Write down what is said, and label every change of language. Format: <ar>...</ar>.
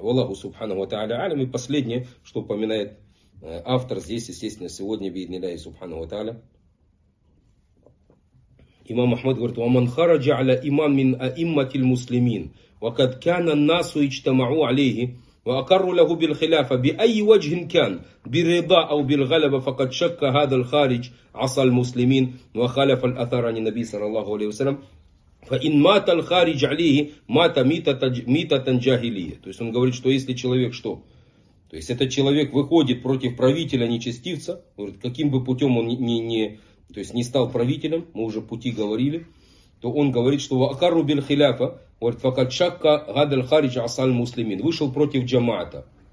<ru>Аллаху субханаху ва тааля алим. И последнее, что упоминает автор здесь, естественно, сегодня, бидни ляхи субханаху ва тааля. Имам Ахмад говорит:</ru> <ar>«Ваман хараджа аля имам мин аиммати аль-муслимин, ва кад кана ан-насу иджтамау алейхи». وأقر له بالخلافة بأي وجه كان برضا أو بالغلبة فقد شك هذا الخارج عصى المسلمين وخالف الأثر عن النبي صلى الله عليه وسلم فإن مات الخارج عليه مات ميتة جاهلية.</ar> <ru>То есть он говорит, что если человек что? То есть этот человек выходит против правителя нечестивца, говорит, каким бы путем он не стал правителем, мы уже пути говорили, то он говорит, что</ru> <ar>وأقر بالخلافة.</ar> <ru>Говорит,</ru> <ar>факат шакка гадаль харидж асаль муслимин.</ar> <ru>Вышел против джамаата.</ru>